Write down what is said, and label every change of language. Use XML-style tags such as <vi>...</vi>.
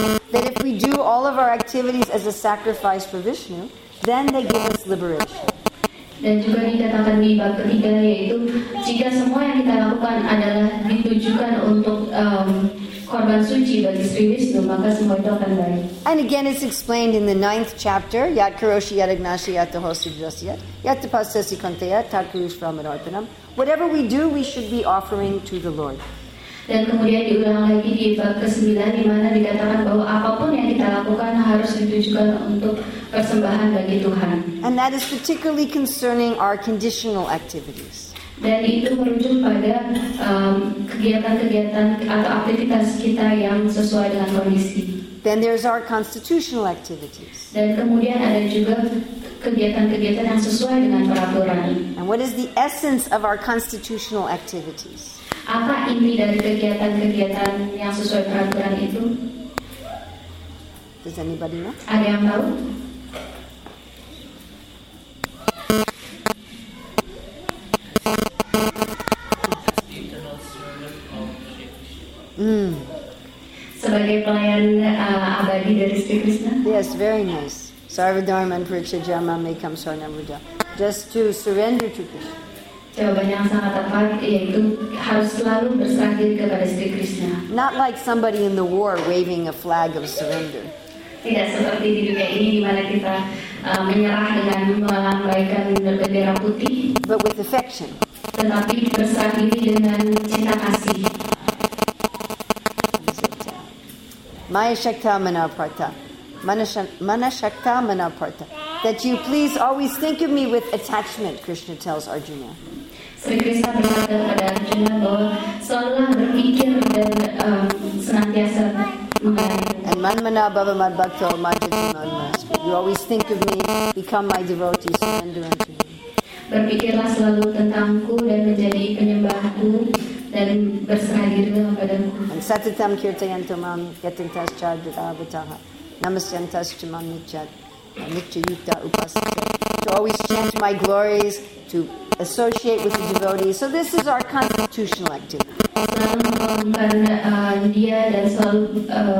<en>That if we do all of our activities as a sacrifice for Vishnu, then they give us liberation.</en> <id>Dan juga dikatakan di bab ketiga, yaitu jika semua yang kita lakukan adalah ditujukan untuk korban suci bagi Sri Vishnu, maka semua itu akan baik.</id> <en>And again, it's explained in the ninth chapter,</en> <sa>Yat Karoshi Yat Agnashi Yat Tohosi Vrasya Yat Tapasasi Kanteya Tat Kurush Brahman Arpanam.</sa> <en>Whatever we do, we should be offering to the Lord.</en> <id>Dan kemudian diulang lagi di bab ke-9 di mana dikatakan bahwa apapun yang kita lakukan harus ditujukan untuk persembahan bagi Tuhan.</id> <en>And that is particularly concerning our conditional activities.</en> <id>Dan itu merujuk pada kegiatan-kegiatan atau aktivitas kita yang sesuai dengan kondisi.</id> <en>Then there's our constitutional activities.</en> <id>Dan kemudian ada juga kegiatan-kegiatan yang sesuai dengan peraturan.</id> <en>And what is the essence of our constitutional activities?</en> <id>Apa inti dari kegiatan-kegiatan yang sesuai peraturan itu?</id> <en>Does anybody know?</en> <id>Ada yang tahu? Hmm. Sebagai pelayan abadi dari Sri Krishna.</id> <en>Yes, very nice.</en> <sa>Sarva dharma pricha jama may come sarnam ruja.</sa> <en>Just to surrender to Krishna.</en> <id>Jawabannya sangat tepat, yaitu harus selalu berserah diri kepada Sri Krishna.</id> <en>Not like somebody in the war waving a flag of surrender.</en> <id>Tidak seperti di dunia ini di mana kita menyerah dengan melambaikan bendera putih.</id> <en>But with affection.</en> <id>Tetapi berserah diri dengan cinta kasih.</id> <sa>Maya Shakta Mana Parta. Mana Shakta Mana Parta.</sa> <en>That you please always think of me with attachment, Krishna tells Arjuna.</en> <id>Sri Krishna berkata kepada Arjuna bahwa selalu berpikir dan senantiasa mengenai.</id> <sa>And man mana bhava mad bhakto majati man mas.</sa> <en>You always think of me, become my devotee, surrender unto me.</en> <id>Berpikirlah selalu tentangku dan menjadi penyembahku. Dan berserah diri kepada-Mu.</id> <sa>And satatam kirtayanto mam yatintas chadra avataha namasyantas chaman nichat nicha yukta upasaka.</sa> <en>To always chant my glories, to associate with the devotees. So this is our constitutional activity.</en> <id>Selalu mengumumkan dia dan selalu bergaul dengan para penyembahnya.</id>